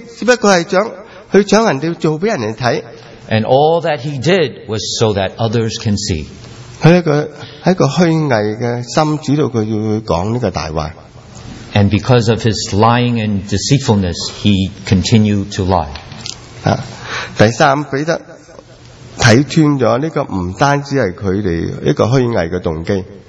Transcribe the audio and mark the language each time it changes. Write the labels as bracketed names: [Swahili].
[Chinese] 他做这个好事的动机,只不过是想,去抢人家做给人家看。 [English] And all that he did was so that others can see. [Chinese] 他一个虚伪的心,知道他要讲这个大话。 [English] And because of his lying and deceitfulness, he continued to lie. [Chinese] 第三,彼得 看穿了这个不单是他们一个虚伪的动机,